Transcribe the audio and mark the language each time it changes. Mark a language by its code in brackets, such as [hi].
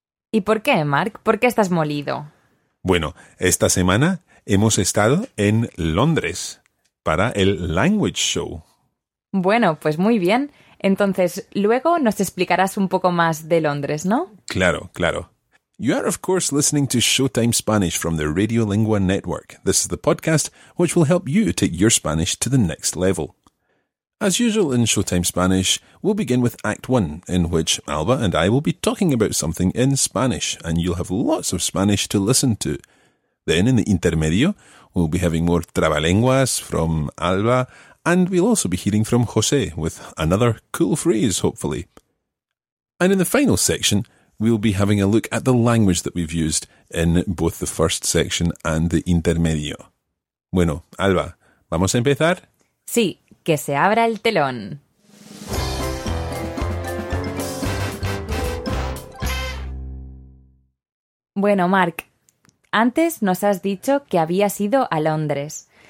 [es] ¿Y por qué, Mark? ¿Por qué estás molido? Bueno, esta semana hemos estado en Londres para el Language Show. Bueno, pues muy bien. Entonces, luego nos explicarás un poco más de Londres, ¿no? Claro, claro. [en] You are, of course, listening to Showtime Spanish from the Radiolingua Network. This is the podcast which will help you take your Spanish to the next level. As usual in Showtime Spanish, we'll begin with Act 1, in which Alba and I will be talking about something in Spanish, and you'll have lots of Spanish to listen to. Then, in the intermedio, we'll be having more trabalenguas from Alba, and we'll also be hearing from José with another cool phrase, hopefully. And in the final section, we'll be having a look at the language that we've used in both the first section and the intermedio. [es] Bueno, Alba, ¿vamos a empezar? Sí, que se abra el telón. Bueno, Mark, antes nos has dicho que habías ido a Londres.